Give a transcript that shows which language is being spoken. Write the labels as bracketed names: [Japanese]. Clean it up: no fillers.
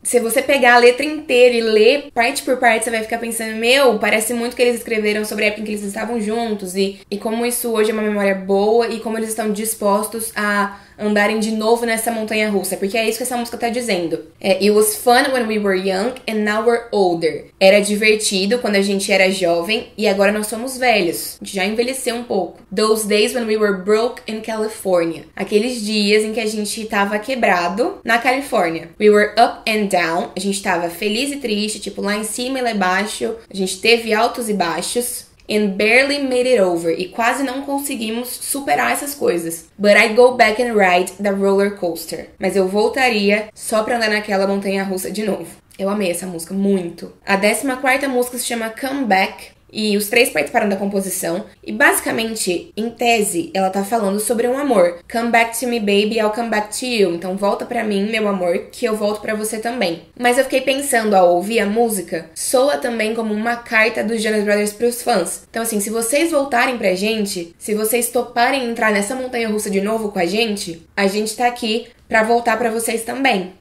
[Portuguese] Se você pegar a letra inteira e ler parte por parte, você vai ficar pensando: Meu, parece muito que eles escreveram sobre a época em que eles estavam juntos e como isso hoje é uma memória boa e como eles estão dispostos a andarem de novo nessa montanha-russa, porque é isso que essa música tá dizendo. [English] It was fun when we were young and now we're older. [Portuguese] Era divertido quando a gente era jovem e agora nós somos velhos. A gente já envelheceu um pouco. [English] Those days when we were broke in California. [Portuguese] Aqueles dias em que a gente tava quebrado na Califórnia. [English] We were up and down. [Portuguese] A gente tava feliz e triste, tipo lá em cima e lá embaixo. A gente teve altos e baixos. [English] And barely made it over. [Portuguese] E quase não conseguimos superar essas coisas. [English] But I go back and ride the roller coaster. [Portuguese] Mas eu voltaria só pra andar naquela montanha-russa de novo. Eu amei essa música muito. A 14ª música se chama Comeback. E os três participaram da composição. E basicamente, em tese, ela tá falando sobre um amor. [English] Come back to me, baby, I'll come back to you. [Portuguese] Então volta pra mim, meu amor, que eu volto pra você também. Mas eu fiquei pensando ao ouvir a música, soa também como uma carta dos Jonas Brothers pros fãs. Então, assim, se vocês voltarem pra gente, se vocês toparem entrar nessa montanha-russa de novo com a gente tá aqui pra voltar pra vocês também.